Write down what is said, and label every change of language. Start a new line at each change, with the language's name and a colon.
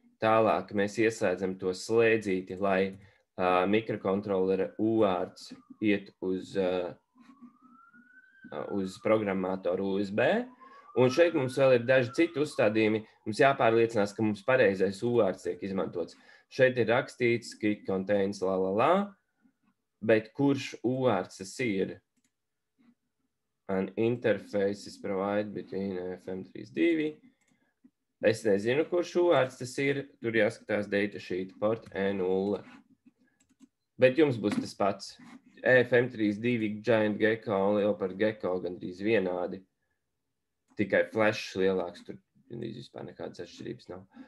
Latvian: Tālāk mēs ieslēdzam to slēdzīti, lai mikrokontrolera UART iet uz programmatoru USB. Un šeit mums vēl ir daži citi uzstādījumi. Mums jāpārliecinās, ka mums pareizais UART tiek izmantots. Šeit ir rakstīts, ka
English: it contains la la la,
Latvian: bet kurš UARTs ir?
English: An interface is provided between FM32.
Latvian: Es nezinu, kurš UARTs tas ir. Tur jāskatās datasheet port E0. Bet jums būs tas pats. FM32, Giant Gecko un Leopard Gecko gandrīz vienādi. Tikai flash lielāks. Tur gandrīz vispār nekādas atšķirības nav.